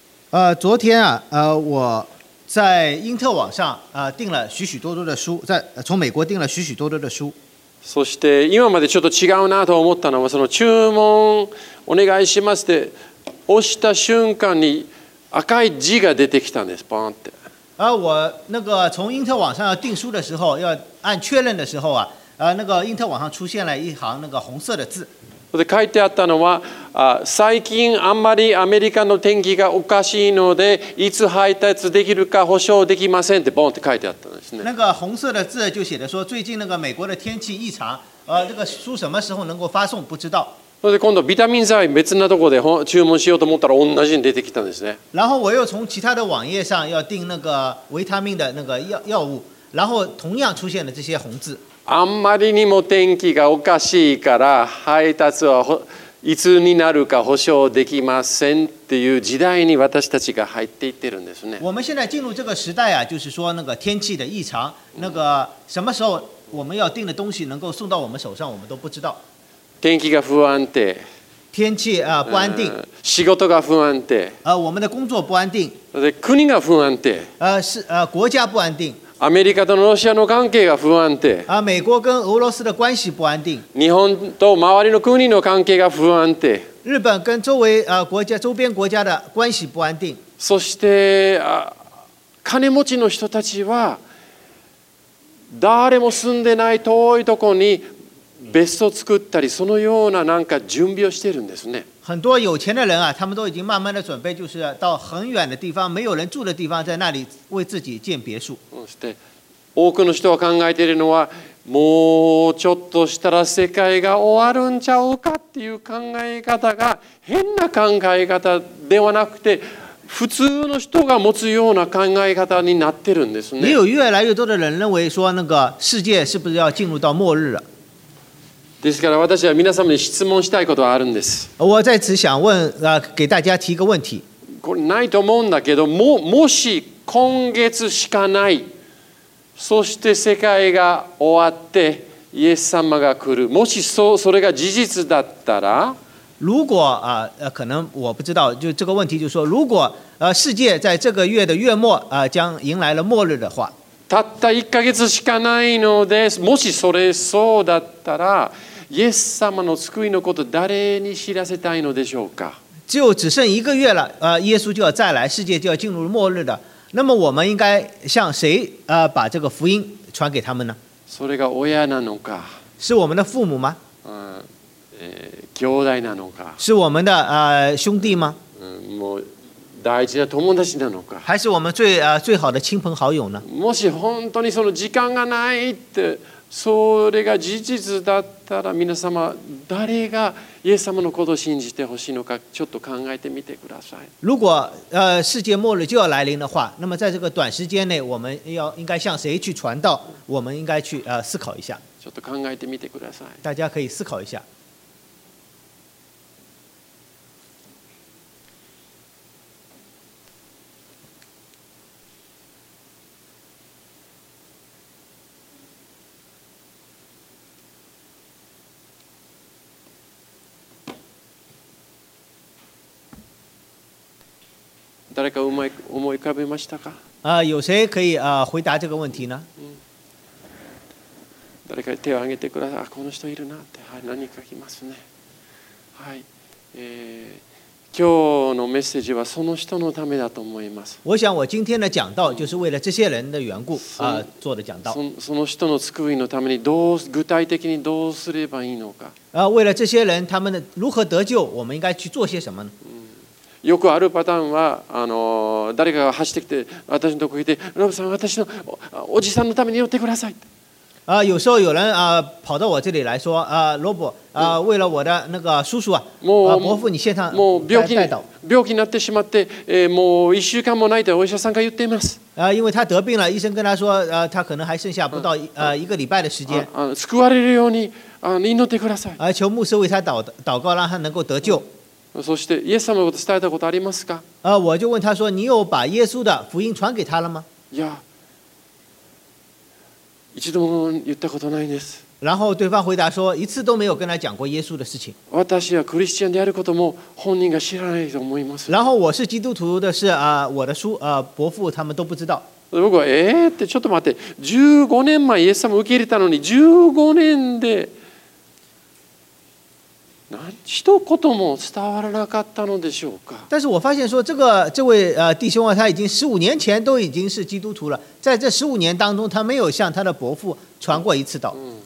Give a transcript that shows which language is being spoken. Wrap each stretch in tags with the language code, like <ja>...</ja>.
<zh>昨天啊，我在因特网上订了许许多多的书，在从美国订了许许多多的书。</zh> <ja>そして今までちょっと違うなと思ったのはその注文お願いしますって押した瞬間に赤い字が出てきたんです。ポンって。</ja> <zh>我那个从因特网上要订书的时候，要按确认的时候啊，那个因特网上出现了一行那个红色的字。</zh> <ja>で書いてあったのは、最近あんまりアメリカの天気がおかしいので、いつ配達できるか保証できませんってボンって書いてあったんですね。</ja> <zh>那个红色的字就写的说，最近那个美国的天气异常，这个书什么时候能够发送不知道。</zh> <ja>で今度ビタミン剤別なところで注文しようと思ったら同じに出てきたんですね。</ja> <zh>然后我又从其他的网页上要订那个维他命的那个 药物，然后同样出现了这些红字。</zh> <ja>あんまりにも天気がおかしいから配達はいつになるか保証できませんっていう時代に私たちが入っていってるんですね。</ja> <zh>我们现在进入这个时代啊，就是说那个天气的异常，那个什么时候我们要订的东西能够送到我们手上，我们都不知道。</zh> <ja>天気が不安定。</ja> <zh>天气啊不安定。</zh> <ja>仕事が不安定。</ja> <zh>我们的工作不安定。</zh> <ja>国が不安定。</ja> <zh>国家不安定。</zh> <ja>アメリカとロシアの関係が不安定。</ja> <zh>美国跟俄罗斯的关系不安定。</zh> <ja>日本と周りの国の関係が不安定。</ja> <zh>日本跟周围国家周边国家的关系不安定。</zh> <ja>そして金持ちの人たちは誰も住んでない遠いところに別荘作ったりそのようななんか準備をしているんですね。</ja> <zh>很多有钱的人啊，他们都已经慢慢的准备，就是到很远的地方，没有人住的地方，在那里为自己建别墅。</zh> <ja>そして多くの人が考えているのは、もうちょっとしたら世界が終わるんちゃうかっていう考え方が変な考え方ではなくて、普通の人が持つような考え方になってるんですね。</ja> <zh>也有越来越多的人认为说，那个世界是不是要进入到末日了？</zh> <ja>ですから私は皆様に質問したいことはあるんです。</ja> <zh>我在此想问，给大家提一个问题。</zh> <ja>これないと思うんだけど、もし今月しかない、そして世界が終わってイエス様が来る、もしそれが事実だったら、</ja> <zh>如果可能我不知道，就这个问题就是说，如果世界在这个月的月末将迎来了末日的话。</zh> <ja>たった1ヶ月しかないのでもしそれそうだったらイエス様の救いのこと誰に知らせたいのでしょうか。</ja> <zh>只有只剩一个月了，耶稣就要再来，世界就要进入末日的，那么我们应该向谁把这个福音传给他们呢？</zh> <ja>それが親なのか、</ja> <zh>是我们的父母吗？</zh> <ja>兄弟なのか、</ja> <zh>是我们的兄弟吗？</zh> <ja>もう大事な友達なのか、</ja> <zh>还是我们 最好的亲朋好友呢？</zh> <ja>もし本当にその時間がないってそれが事実だったら、皆様誰がイエス様のことを信じてほしいのか、ちょっと考えてみてください。</ja> <zh>如果世界末日就要来临的话，那么在这个短时间内我们要应该向谁去传道，我们应该去思考一下。</zh> <ja>ちょっと考えてみてください。</ja> <zh>大家可以思考一下。</zh> <ja>誰か思い浮かべましたか？</ja> <zh>有谁可以回答这个问题呢？</zh> <ja>誰か手を挙げてください。この人いるなって、はい、何か来ますね。はい、今日のメッセージはその人のためだと思います。</ja> <zh>我想我今天的讲道就是为了这些人的缘故做的讲道。</zh> <ja>その人の救いのためにどう具体的にどうすればいいのか。</ja> <zh>为了这些人他们的如何得救，我们应该去做些什么呢？</zh> <ja>よくあるパターンは誰かが走ってきて私のとこに来て、ロブさん私の おじさんのために寄ってください。</ja> <zh>有时候有人跑到我这里来说，ロブ为了我的那个叔叔啊，もう伯父你献上，</zh> <ja>もう病気になってしまって、もう一週間もないとお医者さんが言っています。</ja> <zh>因为他得病了，医生跟他说，他可能还剩下不到一个礼拜的时间。</zh> <ja>救われるように祈ってください。</ja> <zh>求牧师为他祷告，让他能够得救。</zh> <ja>そしてイエス様のこと伝えたことありますか？</ja> <zh>我就问他说，你有把耶稣的福音传给他了吗？</zh> <ja>いや、一度も言ったことないです。</ja> <zh>然后对方回答说，一次都没有跟他讲过耶稣的事情。</zh> <ja>私はクリスチャンであることも本人が知らないと思います。</ja> <zh>然后我是基督徒的是，我的叔，伯父他们都不知道。</zh> <ja>僕は、ってちょっと待って、15年前イエス様受け入れたのに15年で一言も伝わらなかったのでしょうか。</ja> <zh>但是我发现说这位弟兄啊，他已经15年前都已经是基督徒了，在这15年当中，他没有向他的伯父传过一次道。</zh>